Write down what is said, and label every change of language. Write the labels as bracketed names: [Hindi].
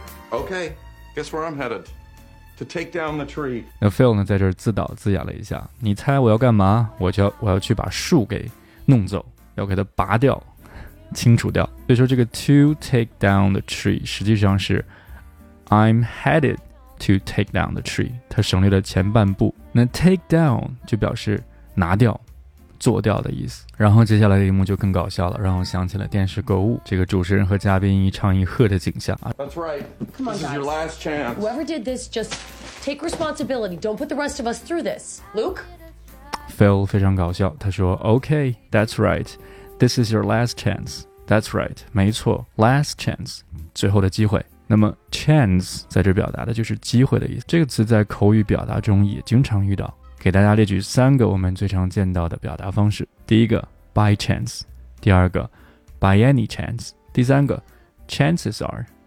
[English] Okay, guess where I'm headed? To take down the tree. [Chinese] 那 Phil 呢，在这儿自导自演了一下。你猜我要干嘛？我要去把树给弄走，要给它拔掉，清除掉。所以说这个 [English] to take down the tree [Chinese] 实际上是 [English] I'm headed to take down the tree， [Chinese] 它省略了前半部。那 take down 就表示拿掉、做掉的意思。然后接下来的一幕就更搞笑了，让我想起了电视购物，这个主持人和嘉宾一唱一和的景象。 [English] That's right. Come on, this is your last chance. Whoever did this, just take responsibility. Don't put the rest of us through this. Luke? Phil [Chinese] 非常搞笑，他说 [English] Okay, that's right. This is your last chance. That's right. [Chinese] 没错 ,last chance. 最后的机会。那么 chance 在这表达的就是机会的意思，这个词在口语表达中也经常遇到。给大家列举三个我们最常见到的表达方式，第一个 by chance， 第二个 by any chance， 第三个 chances are。